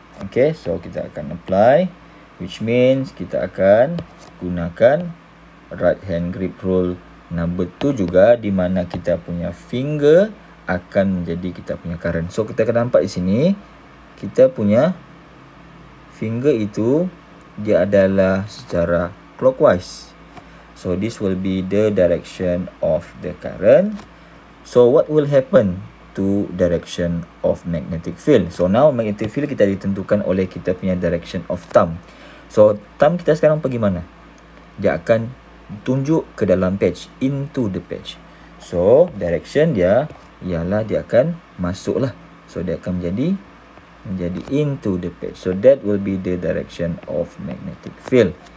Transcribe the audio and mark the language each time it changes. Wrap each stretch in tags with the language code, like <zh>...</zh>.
<ms>Okay, so kita akan apply,</ms> <en>which means</en> <ms>kita akan gunakan right hand grip rule number 2 juga, di mana kita punya finger akan menjadi kita punya current. So kita akan nampak di sini, kita punya finger itu dia adalah secara clockwise.</ms> <en>So this will be the direction of the current. So what will happen to direction of magnetic field? So now magnetic field</en> <ms>kita ditentukan oleh kita punya</ms> <en>direction of thumb.</en> <ms>So thumb kita sekarang pergi mana? Dia akan tunjuk ke dalam patch,</ms> <en>into the patch.</en> <ms>So direction dia ialah dia akan masuklah. So dia akan menjadi</ms> <en>into the patch. So that will be the direction of magnetic field.</en>